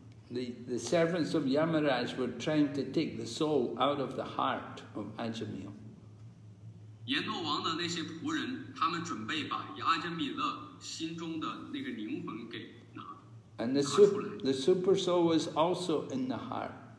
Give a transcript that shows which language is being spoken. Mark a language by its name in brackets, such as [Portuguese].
[English] The servants of Yamaraj were trying to take the soul out of the heart of Ajamila. [Chinese] 阎罗王的那些仆人，他们准备把阿杰米勒心中的那个灵魂给拿出来。 [English] The super soul was also in the heart.